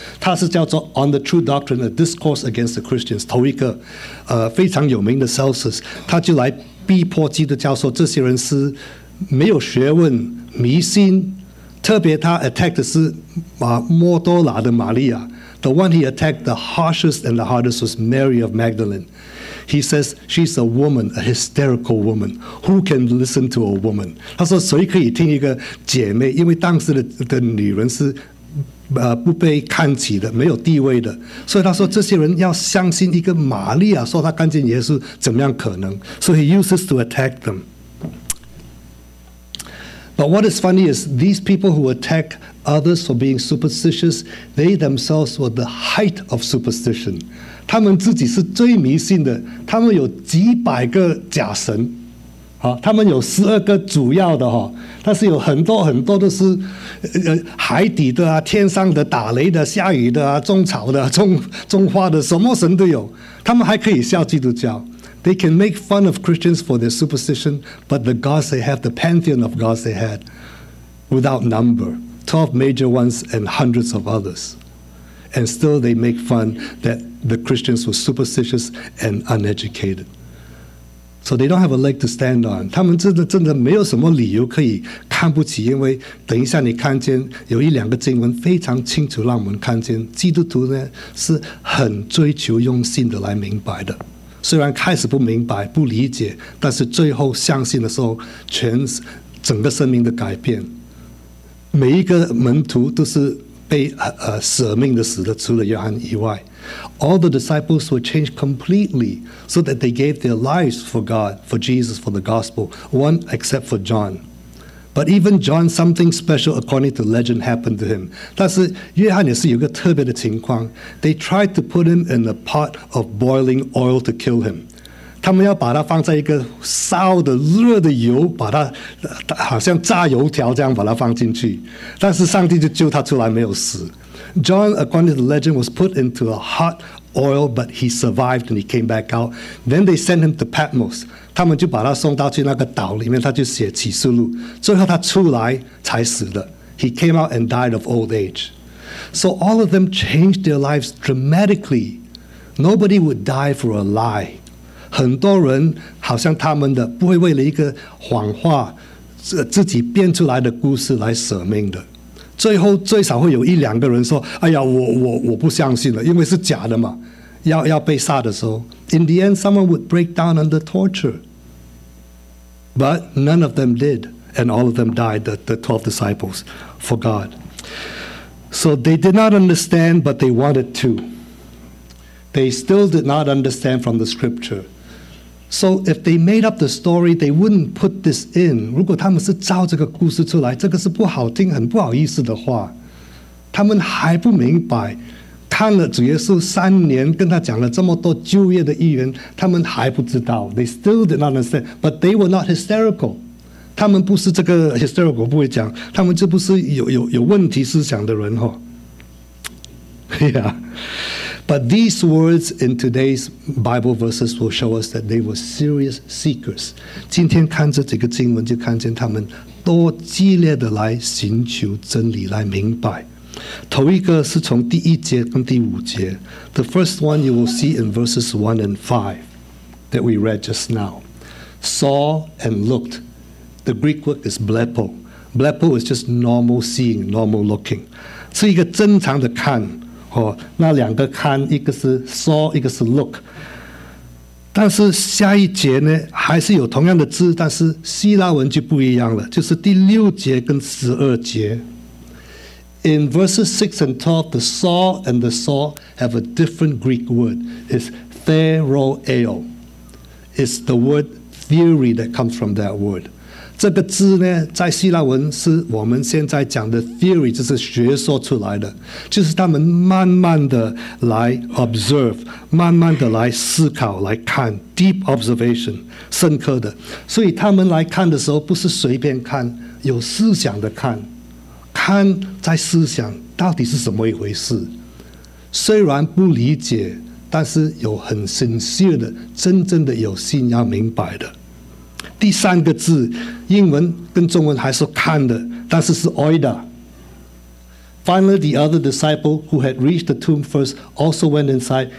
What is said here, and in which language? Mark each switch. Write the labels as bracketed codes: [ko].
[zh] 它是叫做 On the True Doctrine, A Discourse Against the Christians, 头一个、非常有名的 Celsus, 他就来逼迫基督教说这些人是没有学问、迷信，特别他 attack 的是、摩多拉的玛利亚。 [en] The one he attacked the harshest and the hardest was Mary of Magdalene. He says, she's a woman, a hysterical woman. Who can listen to a woman? [zh] 他说谁可以听一个姐妹，因为当时 的女人是、不被看起的，没有地位的。所以他说这些人要相信一个玛利亚说她看见耶稣，怎么样可能？ [en] So he uses to attack them. But what is funny is these people who attack others for being superstitious, they themselves were the height of superstition. [zh] 他们自己是最迷信的，他们有几百个假神，他们有十二个主要的，但是有很多很多都是海底的、天上的、打雷的、下雨的、种草的、种花的，什么神都有。他们还可以笑基督教。 [en] They can make fun of Christians for their superstition, but the gods they have, the pantheon of gods they had, without number. 12 major ones and hundreds of others. And still they make fun that the Christians were superstitious and uneducated. So they don't have a leg to stand on. [zh] 他们真的没有什么理由可以看不起，因为等一下你看见有一两个经文非常清楚让我们看见，基督徒呢是很追求用心的来明白的。虽然开始不明白，不理解，但是最后相信的时候，整个生命的改变。每一个门徒都是被舍命的死的，除了约翰以外。 [en] All the disciples were changed completely so that they gave their lives for God, for Jesus, for the gospel, one except for John. But even John, something special according to legend happened to him. [zh] 但是约翰也是有个特别的情况。 [en] They tried to put him in a pot of boiling oil to kill him. [zh] 他们要把它放在一个烧的热的油，把它好像炸油条这样把它放进去，但是上帝就救他出来没有死。 [en] John, according to the legend, was put into a hot oil, but he survived and he came back out. Then they sent him to Patmos. [zh] 他们就把他送到去那个岛里面，他就写启示录，最后他出来才死的。 [en] He came out and died of old age. So all of them changed their lives dramatically. Nobody would die for a lie. [zh] 很多人好像他们的不会为了一个谎话自己编出来的故事来舍命的，最后最少会有一两个人说，哎呀，我不相信了，因为是假的嘛。要被杀的时候， [en] In the end, someone would break down under torture, but none of them did, and all of them died, the 12 disciples, for God. So they did not understand, but they wanted to. They still did not understand from the scripture. So if they made up the story, they wouldn't put this in. [zh] 如果他们是照这个故事出来，这个是不好听、很不好意思的话。他们还不明白，看了主耶稣三年，跟他讲了这么多就业的预言，他们还不知道。 [en] They still did not understand, but they were not hysterical. [zh] 他们不是这个 hysterical, 不会讲，他们这不是有问题思想的人、哦、Yeah. [en] But these words in today's Bible verses will show us that they were serious seekers. [zh] 今天看这几个经文就看见他们多激烈的来寻求真理来明白。头一个是从第一节跟第五节。 [en] The first one you will see in verses 1 and 5 that we read just now. Saw and looked. The Greek word is blepo. Blepo is just normal seeing, normal looking. [zh] 是一个正常的看。 Oh, 那两个看，一个是 saw， 一个是 look。但是下一节呢，还是有同样的字，但是希腊文就不一样了，就是第六节跟十二节。 [en] In verses 6 and 12, the saw and the saw have a different Greek word. It's theroeo. It's the word theory that comes from that word. [zh] 这个字呢，在希腊文是我们现在讲的 theory， 就是学说出来的，就是他们慢慢的来 observe， 慢慢的来思考，来看 [en] deep observation， [zh] 深刻的。所以他们来看的时候，不是随便看，有思想的看，看在思想到底是怎么一回事。虽然不理解，但是有很 sincere 的，真正的有心要明白的。第三个字，英文跟中文还是看的，但是是 oida。 [en] Finally, the other disciple who had reached the tomb first also went inside.